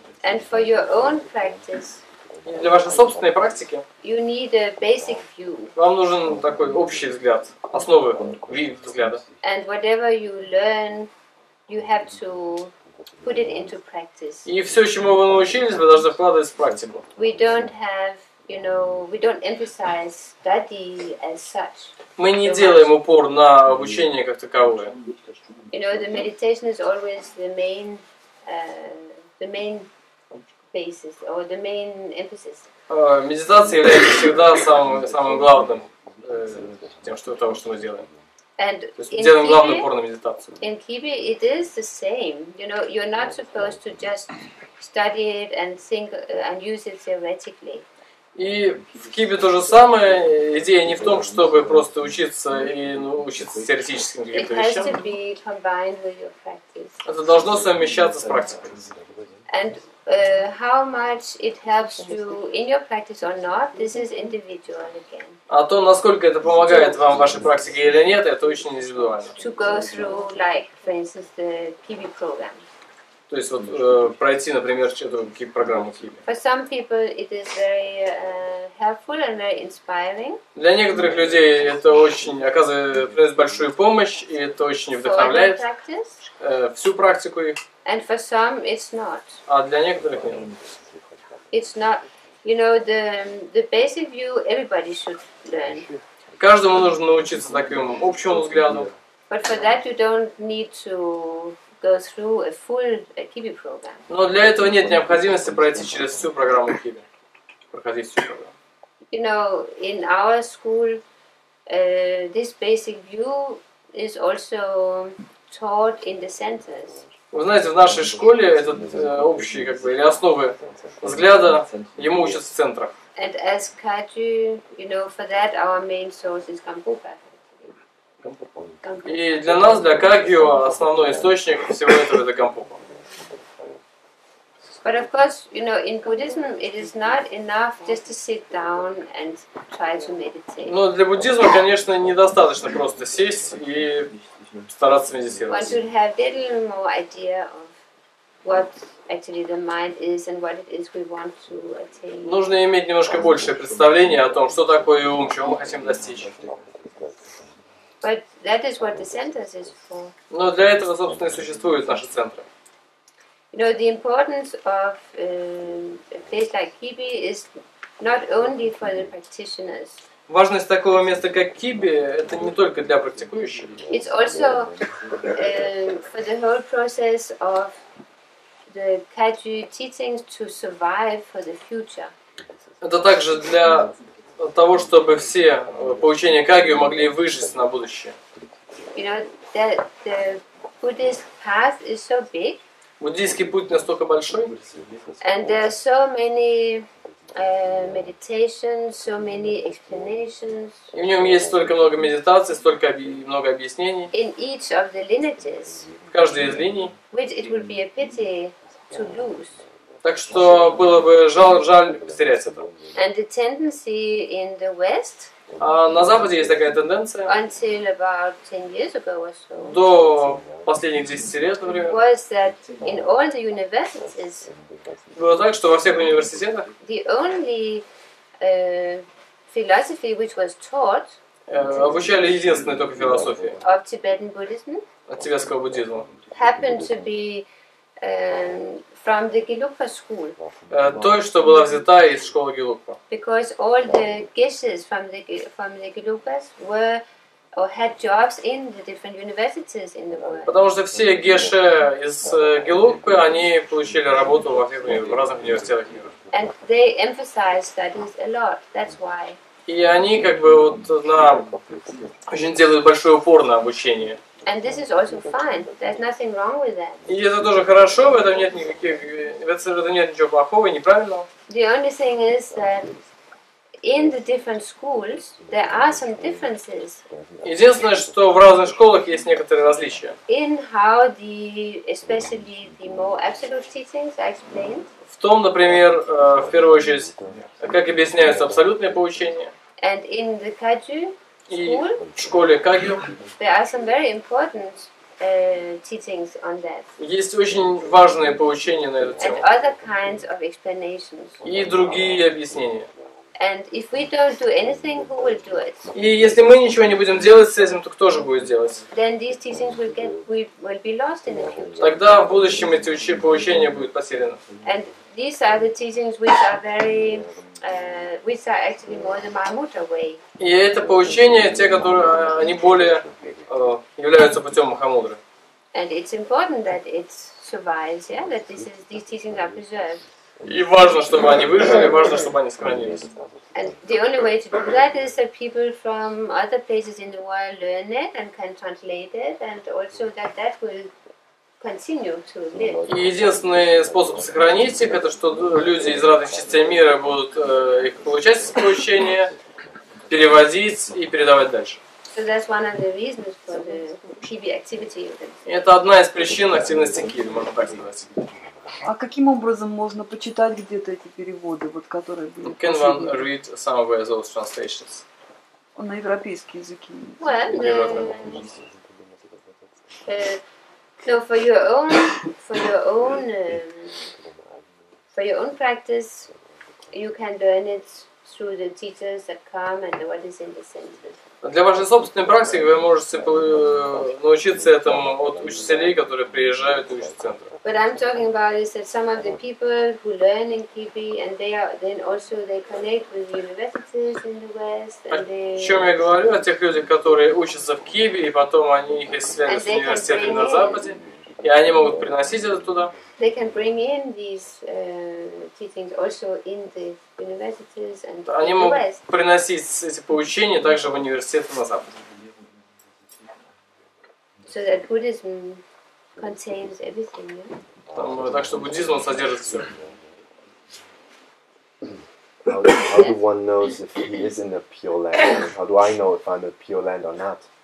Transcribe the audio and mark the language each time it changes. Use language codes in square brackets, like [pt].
[en] And for your own practice. [ru] Для вашей собственной практики. [en] You need a basic view. [ru] Вам нужен такой общий взгляд, основы вид взгляда. [en] And whatever you learn, you have to. Put it into practice. [ru] И все, чему вы научились, вы должны вкладывать в практику. [en] We don't have, you know, we don't emphasize study as such. [ru] Мы не делаем упор на обучение как таковое. [en] You know, the meditation is always the main basis or the main emphasis. [ru] Медитация является всегда самым главным тем, что того, что мы делаем. [en] And in Kibi, it is the same. You know, you're not supposed to just study it and think and use it theoretically. [ru] И в Кибе то же самое. Идея не в том, чтобы просто учиться и учиться теоретическим каким-то вещам. [en] It has to be combined with your practice. [ru] Это должно совмещаться с практикой. [en] And how much it helps you in your practice or not, this is individual again. [ru] А то, насколько это помогает вам в вашей практике или нет, это очень индивидуально. [en] To go through, like, for instance, the Kibi program. [ru] То есть вот пройти, например, эту программу Kibi. [en] For some people it is very helpful and very inspiring. [ru] Для некоторых людей это очень оказывает большую помощь, и это очень вдохновляет всю практику их. [en] And for some it's not. [ru] А для некоторых нет. [en] It's not. You know, the basic view everybody should learn. [ru] Каждому нужно научиться таким общему взгляду. [en] But for that you don't need to go through a full Kibi program. [ru] Но для этого нет необходимости пройти через всю программу Kibi. Проходить всю программу. [en] you know, in our school, this basic view is also taught in the centers. [ru] Вы знаете, в нашей школе этот общий как бы или основы взгляда ему учат в центрах. [en] And as Kaju, you know, for that our main source is Kampupa. [ru] И для нас, для Кагио, основной источник всего этого это Кампупа. [en] But of course, you know, in Buddhism it is not enough just to sit down and try to meditate. [ru] Но для буддизма, конечно, недостаточно просто сесть и стараться медитировать. [en] One should have a little more idea of what actually the mind is and what it is we want to attain. [ru] Нужно иметь немножко большее представление о том, что такое ум, чего мы хотим достичь. [en] But that is what the centers is for. [ru] Но для этого, собственно, и существуют наши центры. [en] You know, the importance of a place like Kibi is not only for the practitioners. [ru] Важность такого места, как Киби, это не только для практикующих. [en] It's also for the whole process of the Kagyu teachings to survive for the future. [ru] Это также для того, чтобы все поучения Кагью могли выжить на будущее. [en] You know, the Buddhist path is so big. [ru] Буддийский путь настолько большой. [en] And there are so many meditations, so many explanations. [ru] И в нем есть столько много медитаций, столько много объяснений. [en] In each of the lineages. [ru] В каждой из линий. [en] Which it would be a pity to lose. [ru] Так что было бы жаль потерять это. [en] And the tendency in the West. [ru] А на Западе есть такая тенденция. [en] Until about 10 years ago or so. [ru] До последних 10 лет, например. [en] Was that in all the universities? [ru] Было так, что во всех университетах. [en] The only philosophy which was taught. [ru] Обучали единственной только философии. [en] Of Tibetan Buddhism. [ru] От тибетского буддизма. [en] Happened to be from the Gelugpa school. [ru] Той, что была взята из школы Гелугпа. [en] Because all the geshes from the Gelugpas were or had jobs in the different universities in the world. [ru] Потому что все геши из Гелугпы, они получили работу в разных университетах мира. [en] And they emphasized studies a lot. That's why. [ru] И они как бы вот на очень делают большой упор на обучение. [en] And this is also fine. There's nothing wrong with that. [ru] И это тоже хорошо, в этом нет никаких, в этом нет ничего плохого и неправильного. [en] The only thing is that in the different schools there are some differences. [ru] Единственное, что в разных школах есть некоторые различия. [en] In how the especially the more absolute teachings are explained. [ru] В том, например, в первую очередь, как объясняются абсолютные поучения. [en] And in the Kagyu. [ru] И в школе Кагью. [en] There are some very important teachings on that. [ru] Есть очень важные поучения на эту тему. [en] And other kinds of explanations. [ru] И другие объяснения. [en] And if we don't do anything, who will do it? [ru] И если мы ничего не будем делать с этим, то кто же будет делать? [en] Then these teachings will be lost in the future. [ru] Тогда в будущем эти поучения будут потеряны. [en] And these are the teachings which are very which are actually more the Mahamudra way. [ru] И это поучения, те, которые они более являются путем Махамудры. [en] And it's important that it survives, yeah, that these teachings are preserved. [ru] И важно, чтобы они выжили, важно, чтобы они сохранились. [en] And the only way to do that is that people from other places in the world learn it and can translate it, and also that will continue to live. [ru] И единственный способ сохранить их, это что люди из разных частей мира будут их получать из поучения, переводить и передавать дальше. [en] So that's one of the reasons for the Kibi activity. [ru] Это одна из причин активности Kibi, можно так сказать. А каким образом можно почитать где-то эти переводы, вот которые были? [en] Can one read some of those translations? [ru] Он на европейский язык. [en] Well, so for your own practice, you can learn it through the teachers that come and what is in the center. [ru] Для вашей собственной практики вы можете научиться этому от учителей, которые приезжают и учат в центр. [en] What I'm talking about is that some of the people who learn in Kibi and they are then also they connect with the universities in the West and they. [ru] О чем я говорю? О тех людях, которые учатся в Kibi и потом они их связывают с университетами на Западе. И они могут приносить это туда. [en] They can bring in these teachings also in the universities and the West. [ru] Они могут приносить эти поучения также в университеты на Западе. [en] So that Buddhism contains everything, yeah? [ru] Там, так что буддизм он содержит все. [en] How do one know if he is in a pure land? How do I know if I'm a pure land or not?